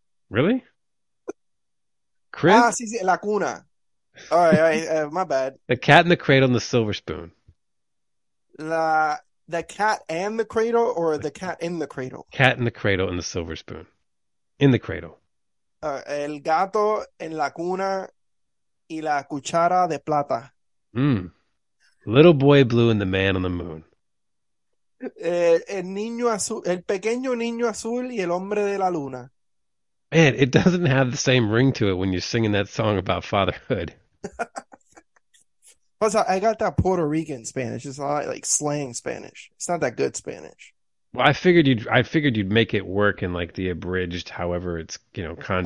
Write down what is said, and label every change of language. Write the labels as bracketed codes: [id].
[en] Really? Chris? [es] Ah, sí, la cuna. [en] All right, my bad. The cat in the cradle and the silver spoon. The cat and the cradle, or the cat in the cradle? Cat in the cradle and the silver spoon. In the cradle. [es] El gato en la cuna y la cuchara de plata. [en] Little boy blue and the man on the moon. [es] El pequeño niño azul y el hombre de la luna. [en] Man, it doesn't have the same ring to it when you're singing that song about fatherhood. Plus, I got that Puerto Rican Spanish. It's a lot like slang Spanish. It's not that good Spanish. Well, I figured you'd make it work in like the abridged, however it's, you know, conjugated.